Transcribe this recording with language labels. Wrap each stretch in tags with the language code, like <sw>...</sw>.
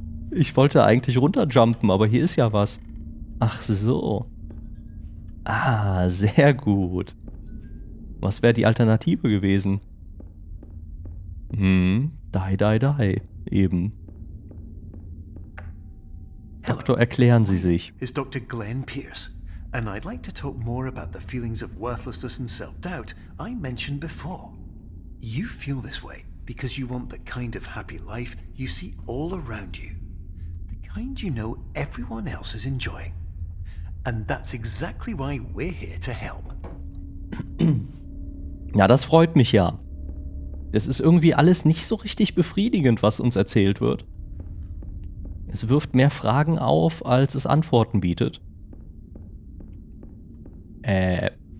<de>Ich wollte eigentlich runterjumpen, aber hier ist ja was. Ach so. Ah, sehr gut. Was wäre die Alternative gewesen? Die. Eben. Doktor, erklären Sie sich. Ist Dr. Glenn Pierce.</de> <en>And I'd like to talk more about the feelings of worthlessness and self-doubt I mentioned before. You feel this way because you want the kind of happy life you see all around you. The kind you know everyone else is enjoying. And that's exactly why we're here to help.</en> <de>Ja, das freut mich ja. Das ist irgendwie alles nicht so richtig befriedigend, was uns erzählt wird. Es wirft mehr Fragen auf, als es Antworten bietet. Hey.</de>